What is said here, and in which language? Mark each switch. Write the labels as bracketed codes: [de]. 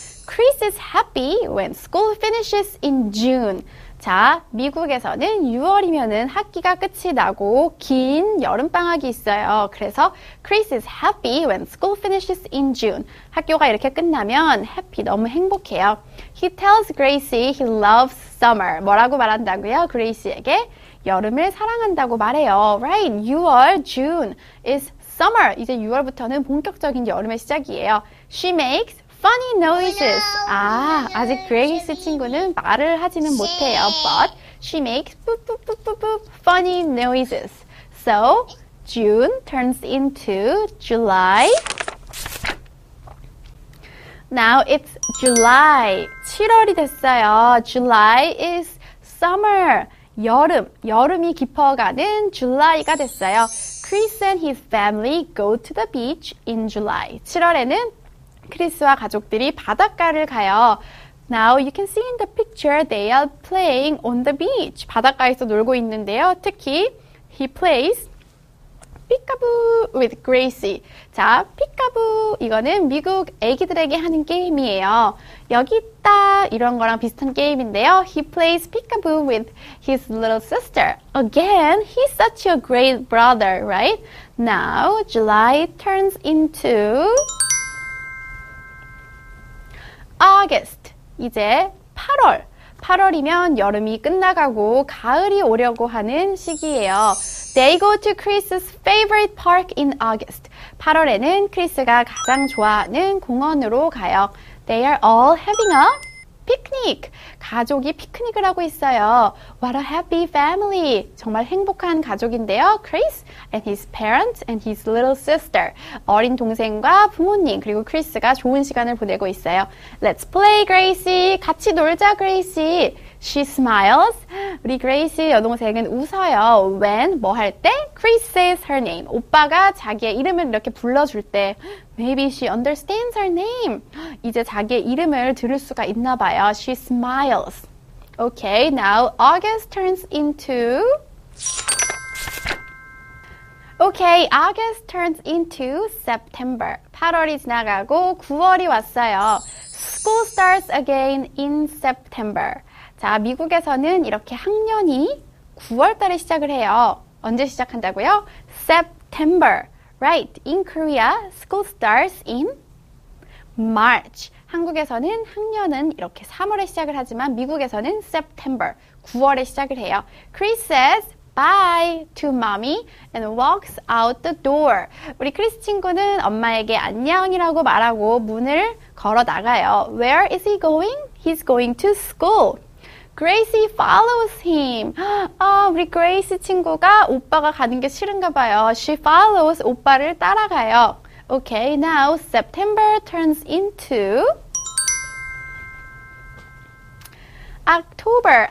[en] Chris is happy when school finishes in June. [ko] 자, 미국에서는 6월이면은 학기가 끝이 나고 긴 여름방학이 있어요. [en] 그래서 Chris is happy when school finishes in June. [ko] 학교가 이렇게 끝나면 happy, 너무 행복해요. [en] He tells Gracie he loves summer. [ko] 뭐라고 말한다고요? Gracie에게 여름을 사랑한다고 말해요. [en] Right, 6월, June is summer. [ko] 이제 6월부터는 본격적인 여름의 시작이에요. [en] She makes funny noises. [ko] 아, 아직 그레이스 친구는 말을 하지는 못해요. [en] But she makes funny noises. So June turns into July. Now it's July. [ko] 7월이 됐어요. [en] July is summer. [ko] 여름, 여름이 깊어가는 July가 됐어요. [en] Chris and his family go to the beach in July. [ko] 7월에는 크리스와 가족들이 바닷가를 가요. [en] Now you can see in the picture they are playing on the beach. [ko] 바닷가에서 놀고 있는데요. [en] 특히 he plays peek-a-boo with Gracie. [ko] 자, peek-a-boo 이거는 미국 아기들에게 하는 게임이에요. 여기 있다 이런 거랑 비슷한 게임인데요. [en] He plays peek-a-boo with his little sister. Again, he's such a great brother, right? Now July turns into August. [ko] 이제 8월. 8월이면 여름이 끝나가고 가을이 오려고 하는 시기예요. [en] They go to Chris's favorite park in August. [ko] 8월에는 크리스가 가장 좋아하는 공원으로 가요. [en] They are all having a picnic. [ko] 가족이 피크닉을 하고 있어요. [en] What a happy family. [ko] 정말 행복한 가족인데요. [en] Chris and his parents and his little sister. [ko] 어린 동생과 부모님 그리고 크리스가 좋은 시간을 보내고 있어요. [en] Let's play, Gracie. [ko] 같이 놀자, [en] Gracie. She smiles. [ko] 우리 Gracie 여동생은 웃어요. When? 뭐 할 때? [en] Chris says her name. [ko] 오빠가 자기의 이름을 이렇게 불러줄 때. [en] Maybe she understands her name. [ko] 이제 자기의 이름을 들을 수가 있나 봐요. [en] She smiles. Okay, now August turns into Okay, August turns into September. [ko] 8월이 지나가고 9월이 왔어요. [en] School starts again in September. [ko] 자, 미국에서는 이렇게 학년이 9월 달에 시작을 해요. 언제 시작한다고요? [en] September. Right. In Korea, school starts in March. [ko] 한국에서는 학년은 이렇게 3월에 시작을 하지만 미국에서는 September, 9월에 시작을 해요. [en] Chris says bye to mommy and walks out the door. [ko] 우리 크리스 친구는 엄마에게 안녕이라고 말하고 문을 걸어 나가요. [en] Where is he going? He's going to school. Gracie follows him. [ko] 아, 우리 Gracie 친구가 오빠가 가는 게 싫은가 봐요. [en] She follows [ko] 오빠를 따라가요. [en] Okay, now September turns into October.